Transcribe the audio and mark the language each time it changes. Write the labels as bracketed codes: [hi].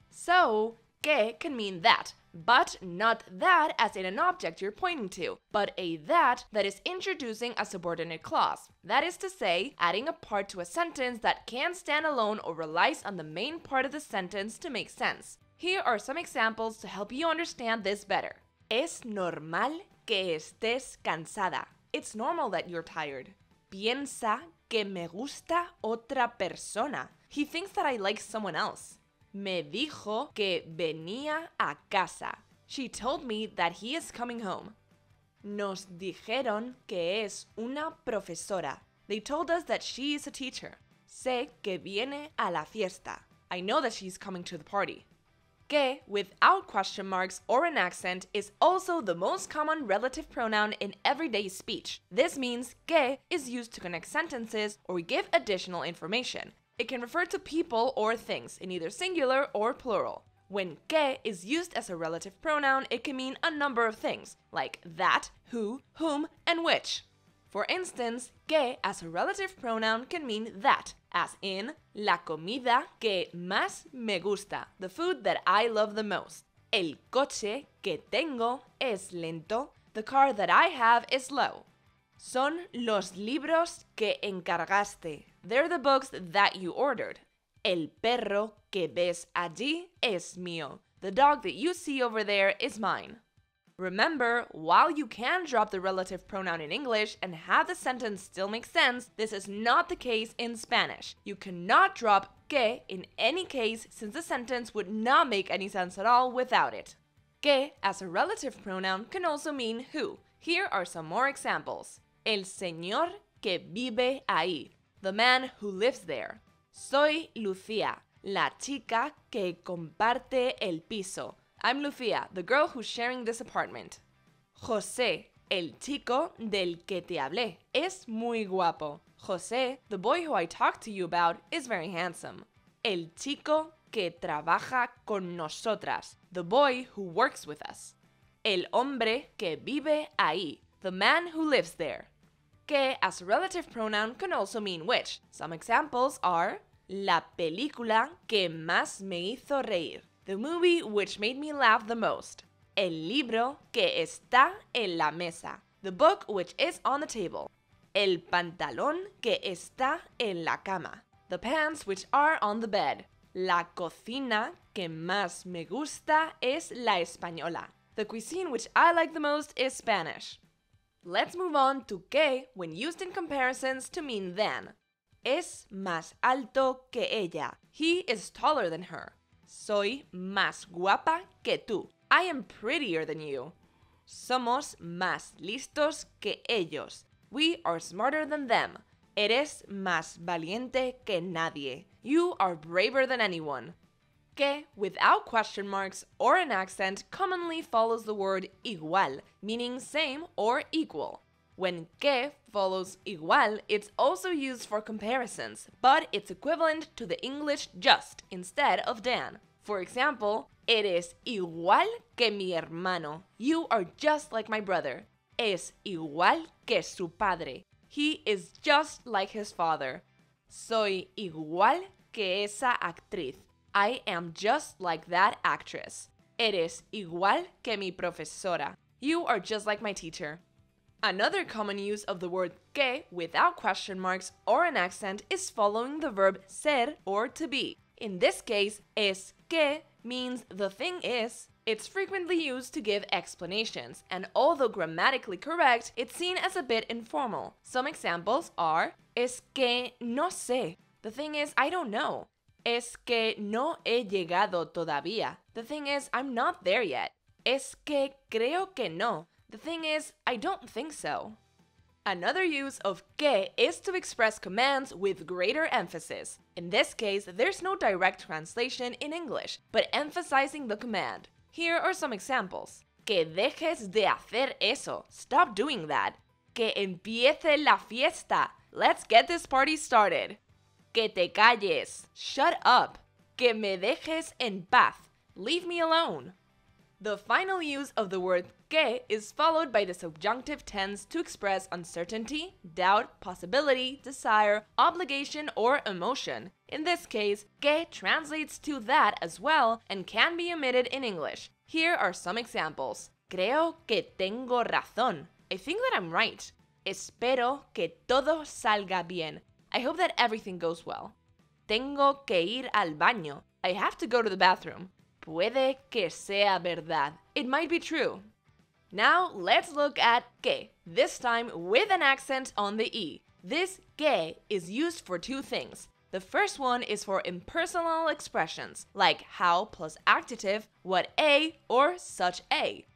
[en] So, que can mean that, but not that as in an object you're pointing to, but a that is introducing a subordinate clause. That is to say, adding a part to a sentence that can stand alone or relies on the main part of the sentence to make sense. Here are some examples to help you understand this better. [es] Es normal que estés cansada. [en] It's normal that you're tired. [es] Piensa que me gusta otra persona. [en] He thinks that I like someone else. [es] Me dijo que venía a casa. [en] She told me that he is coming home. [es] Nos dijeron que es una profesora. [en] They told us that she is a teacher. [es] Sé que viene a la fiesta. [en] I know that she's coming to the party. Que, without question marks or an accent, is also the most common relative pronoun in everyday speech. This means que is used to connect sentences or give additional information. It can refer to people or things, in either singular or plural. When que is used as a relative pronoun, it can mean a number of things, like that, who, whom, and which. For instance, que as a relative pronoun can mean that, as in [es] la comida que más me gusta, [en] the food that I love the most. [es] El coche que tengo es lento, [en] the car that I have is slow. [es] Son los libros que encargaste. [en] They're the books that you ordered. [es] El perro que ves allí es mío. [en] The dog that you see over there is mine. Remember, while you can drop the relative pronoun in English and have the sentence still make sense, this is not the case in Spanish. You cannot drop que in any case since the sentence would not make any sense at all without it. Que, as a relative pronoun, can also mean who. Here are some more examples. [es] El señor que vive ahí. [en] The man who lives there. [es] Soy Lucía, la chica que comparte el piso. [en] I'm Lucía, the girl who's sharing this apartment. [es] José, el chico del que te hablé, es muy guapo. [en] José, the boy who I talked to you about, is very handsome. [es] El chico que trabaja con nosotras, [en] the boy who works with us. [es] El hombre que vive ahí, [en] the man who lives there. Que, as a relative pronoun, can also mean which. Some examples are [es] la película que más me hizo reír, [en] the movie which made me laugh the most. [es] El libro que está en la mesa, [en] the book which is on the table. [es] El pantalón que está en la cama, [en] the pants which are on the bed. [es] La cocina que más me gusta es la española, [en] the cuisine which I like the most is Spanish. Let's move on to que when used in comparisons to mean then. [es] Es más alto que ella. [en] He is taller than her. [es] Soy más guapa que tú. [en] I am prettier than you. [es] Somos más listos que ellos. [en] We are smarter than them. [es] Eres más valiente que nadie. [en] You are braver than anyone. Que, without question marks or an accent, commonly follows the word igual, meaning same or equal. When que follows igual, it's also used for comparisons, but it's equivalent to the English just instead of than. For example, [es] eres igual que mi hermano. [en] You are just like my brother. [es] Es igual que su padre. [en] He is just like his father. [es] Soy igual que esa actriz. [en] I am just like that actress. [es] Eres igual que mi profesora. [en] You are just like my teacher. Another common use of the word que without question marks or an accent is following the verb ser or to be. In this case, es que means the thing is. It's frequently used to give explanations, and although grammatically correct, it's seen as a bit informal. Some examples are [es] es que no sé, [en] The thing is, I don't know. [es] Es que no he llegado todavía. [en] The thing is, I'm not there yet. [es] Es que creo que no. [en] The thing is, I don't think so. Another use of que is to express commands with greater emphasis. In this case, there's no direct translation in English, but emphasizing the command. Here are some examples. [es] Que dejes de hacer eso. [en] Stop doing that. [es] Que empiece la fiesta. [en] Let's get this party started. [es] Que te calles. [en] Shut up. [es] Que me dejes en paz. [en] Leave me alone. The final use of the word que is followed by the subjunctive tense to express uncertainty, doubt, possibility, desire, obligation, or emotion. In this case, que translates to that as well and can be omitted in English. Here are some examples. [es] Creo que tengo razón. [en] I think that I'm right. [es] Espero que todo salga bien. [en] I hope that everything goes well. [es] Tengo que ir al baño. [en] I have to go to the bathroom. [es] Puede que sea verdad. [en] It might be true. Now, let's look at que, this time with an accent on the E. This que is used for two things. The first one is for impersonal expressions, like how plus adjective, what a, or such a.